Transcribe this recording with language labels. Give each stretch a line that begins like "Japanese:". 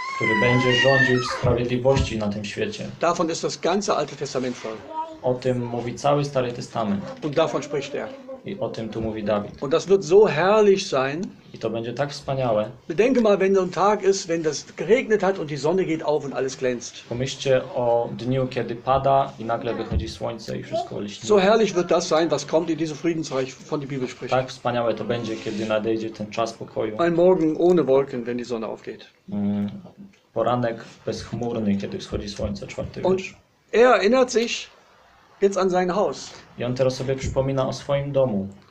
Polish: Który będzie rządził w sprawiedliwości na tym świecie.
German: Davon ist das ganze Alte Testament voll.
Polish: O tym mówi cały Stary Testament.
German: Und davon spricht er.
Polish: I o tym tu mówi Dawid.
German: Und das wird so herrlich sein.
Polish: I to będzie tak wspaniałe.
German: Bedenke mal, wenn ein Tag ist, wenn das geregnet hat und die Sonne geht auf und alles glänzt.
Polish: Pomyślcie o dniu, kiedy pada i nagle wychodzi słońce i wszystko liśni.
German: So herrlich wird das sein, was kommt in diesem Friedensreich, von der Bibel spricht.
Polish: Tak wspaniałe to będzie, kiedy nadejdzie ten czas pokoju.
German: Ein Morgen ohne Wolken, wenn die Sonne aufgeht.
Polish: Poranek bezchmurny, kiedy wschodzi słońce, czwarty wiersz.
German: Er erinnert sich jetzt an sein Haus.
Polish: I on teraz sobie przypomina o swoim domu.